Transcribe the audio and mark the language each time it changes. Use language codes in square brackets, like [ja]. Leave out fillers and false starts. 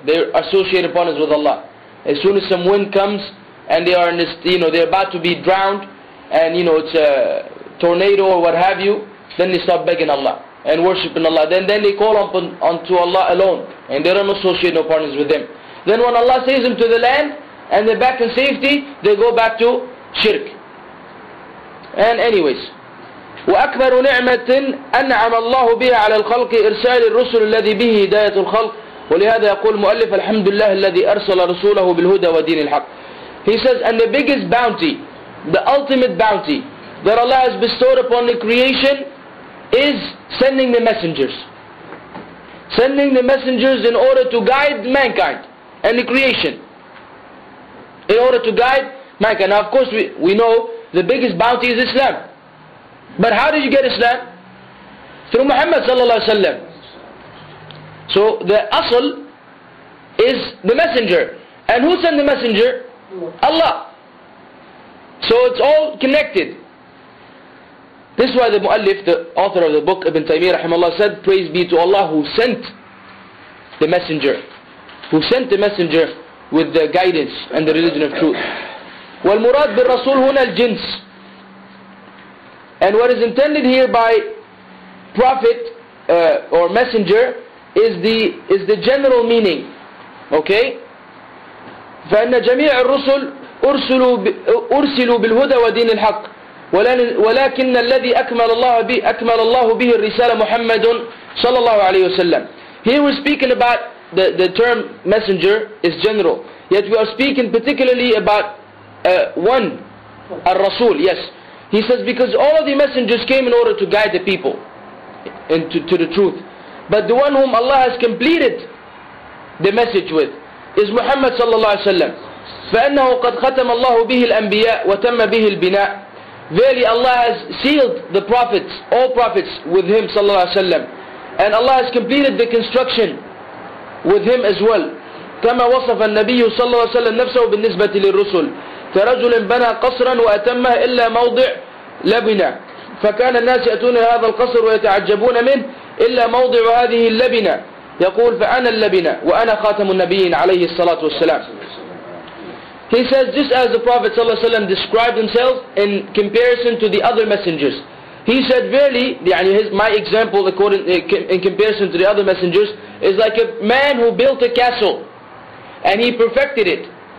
[en] They're associated upon us with Allah. As soon as some wind comes, and they are in this, they're about to be drowned, and it's a tornado or what have you, then they start begging Allah and worshiping Allah. Then they call unto Allah alone, and they don't associate no partners with them. Then when Allah saves them to the land and they're back in safety, they go back to shirk. And anyways, [ar] وأكبر نعمة أنعم الله بها على الخلق إرسال الرسل الذي به هداية الخلق. ولهذا يقول مؤلف الحمد لله الذي أرسل رسوله بالهدى ودين الحق. [en] He says, and the biggest bounty, the ultimate bounty that Allah has bestowed upon the creation is sending the messengers. Sending the messengers in order to guide mankind and the creation. In order to guide mankind. Now of course we know the biggest bounty is Islam. But how did you get Islam? Through Muhammad sallallahu alaihi wasallam. So the asl is the messenger. And who sent the messenger? Allah. So it's all connected. This is why the Mu'allif, the author of the book, Ibn Taymiyyah rahimahullah, said, praise be to Allah who sent the messenger. Who sent the messenger with the guidance and the religion of truth. [ar] والمراد بالرسول هنا الجنس. [en] And what is intended here by prophet or messenger is the general meaning. Okay? [ar] فَإِنَّ جَمِيعَ الرُّسُلُ أُرْسِلُوا بِالْهُدَى وَدِينِ الْحَقِّ ولكن الذي أكمل الله به الرسالة محمد صلى الله عليه وسلم. [en] Here we're speaking about the term messenger is general. Yet we are speaking particularly about one, الرسول. Yes, he says because all of the messengers came in order to guide the people into the truth. But the one whom Allah has completed the message with is Muhammad صلى الله عليه وسلم. [ar] فإنه قد ختم الله به الأنبياء وتم به البناء. [en] Verily Allah has sealed the prophets, all prophets with him sallallahu alayhi wa sallam. And Allah has completed the construction with him as well. [ar] كما وصف النبي صلى الله عليه وسلم نفسه بالنسبة للرسل. كرجل بنى قصرا وأتمه إلا موضع لبنة. فكان الناس يأتون إلى هذا القصر ويتعجبون منه إلا موضع هذه اللبنة. يقول فأنا اللبنة وأنا خاتم النبيين عليه الصلاة والسلام. [en] He says, just as the Prophet ﷺ described himself in comparison to the other messengers. He said, verily, my example according in comparison to the other messengers is like a man who built a castle and he perfected it.